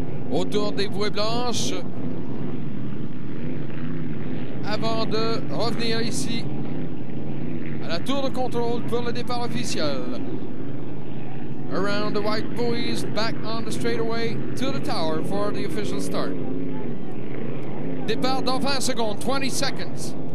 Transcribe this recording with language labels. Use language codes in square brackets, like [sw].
[fr] Autour des bouées blanches. Avant de revenir ici. La tour de contrôle pour le départ officiel. [en] Around the white buoys, back on the straightaway to the tower for the official start. [fr] Départ dans 20 secondes, [en] 20 seconds.